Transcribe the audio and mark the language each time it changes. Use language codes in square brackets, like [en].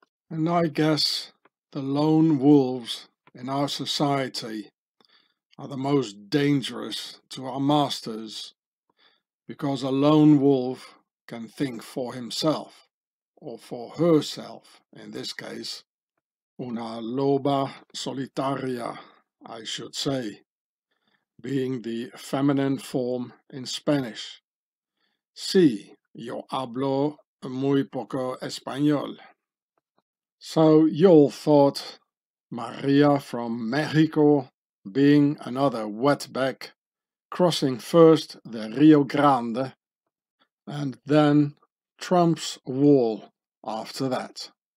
[en] And I guess the lone wolves in our society are the most dangerous to our masters, because a lone wolf can think for himself, or for herself in this case. [es] Una loba solitaria, [en] I should say, being the feminine form in Spanish. [es] Sí, yo hablo muy poco español. [en] So Yol thought Maria from Mexico, being another wetback, crossing first the Rio Grande and then Trump's wall after that.